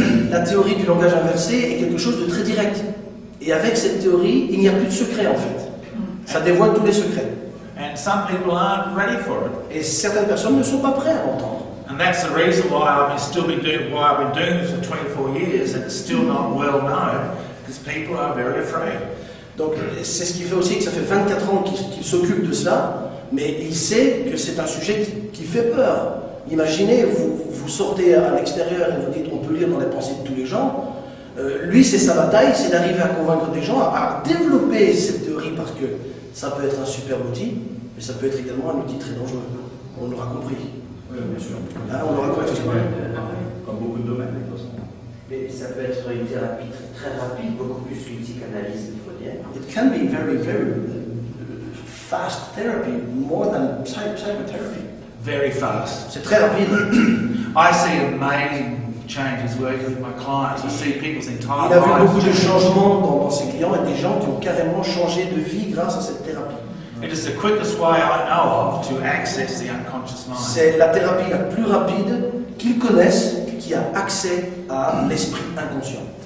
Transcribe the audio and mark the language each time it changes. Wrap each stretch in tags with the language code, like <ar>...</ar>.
<fr>La théorie du langage inversé est quelque chose de très direct. Et avec cette théorie, il n'y a plus de secrets en fait. Ça dévoile tous les secrets.</fr> <en>And some people aren't ready for it.</en> <fr>Et certaines personnes ne sont pas prêtes à l'entendre.</fr> <en>And that's the reason why I've been doing this for 24 years and it's still not well known, because people are very afraid.</en> <fr>Donc c'est ce qui fait aussi que ça fait 24 ans qu'il s'occupe de ça, mais il sait que c'est un sujet qui fait peur. Imaginez, vous sortez à l'extérieur et vous dites on peut lire dans les pensées de tous les gens. Lui, c'est sa bataille, c'est d'arriver à convaincre des gens à développer cette théorie parce que ça peut être un super outil, mais ça peut être également un outil très dangereux. On l'aura compris. Oui, bien sûr. Là, on l'aura compris. Comme beaucoup de domaines, de toute façon. Mais ça peut être une thérapie très rapide, beaucoup plus qu'une psychanalyse freudienne.</fr> <en>It can be very, very fast therapy, more than psychotherapy. Very fast.</en> <fr>C'est très rapide.</fr> <en>I see amazing changes working with my clients. I see people's entire lives.</en> <fr>Il a vu beaucoup de changements dans ses clients et des gens qui ont carrément changé de vie grâce à cette thérapie.</fr> <en>It is the quickest way I know of to access the unconscious mind.</en> <fr>C'est la thérapie la plus rapide qu'ils connaissent qui a accès à l'esprit inconscient.</fr>